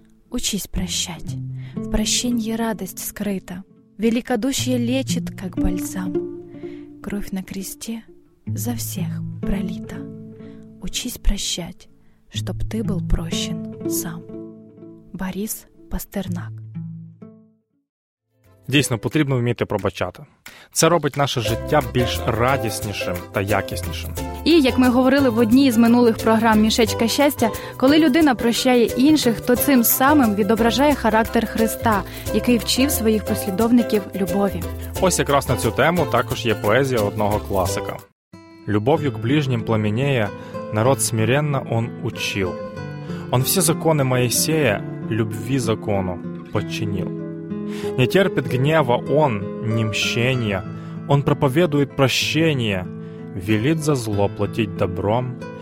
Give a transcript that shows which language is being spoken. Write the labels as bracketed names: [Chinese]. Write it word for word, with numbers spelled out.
[Russian] Учись прощать, в прощении радость скрыта, великодушие лечит, как бальзам. Кровь на кресте за всех пролита. Учись прощать, чтоб ты был прощен сам. Борис Пастернак. [Ukrainian] Дійсно, потрібно вміти пробачати. Це робить наше життя більш радіснішим та якіснішим. І, як ми говорили в одній із минулих програм «Мішечка щастя», коли людина прощає інших, то цим самим відображає характер Христа, який вчив своїх послідовників любові. Ось якраз на цю тему також є поезія одного класика. [Russian] «Любовью к ближним пламенея народ смиренно он учил. Он все законы Моисея любви закону подчинил. Не терпит гнева он, ни мщения, Он проповедует прощение, велит за зло платить добром.